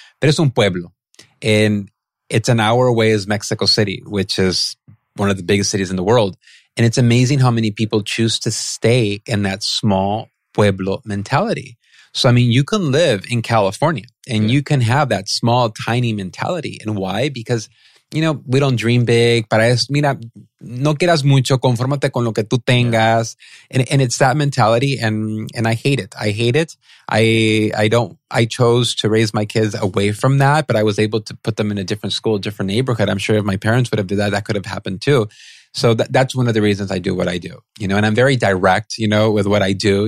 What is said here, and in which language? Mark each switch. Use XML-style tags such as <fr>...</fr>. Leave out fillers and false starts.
<es>Pero es un pueblo,</es> <en>and it's an hour away as Mexico City, which is one of the biggest cities in the world. And it's amazing how many people choose to stay in that small pueblo mentality. So I mean, you can live in California, and yeah. you can have that small, tiny mentality. And why? Because you know, we don't dream big.</en> <es>Para eso, mira, no quieras mucho, confórmate con lo que tú tengas.</es> <en>And it's that mentality, and I hate it. I hate it. I chose to raise my kids away from that, but I was able to put them in a different school, different neighborhood. I'm sure if my parents would have did that, that could have happened too. So that's one of the reasons I do what I do, you know, and I'm very direct, you know, with what I do.</en>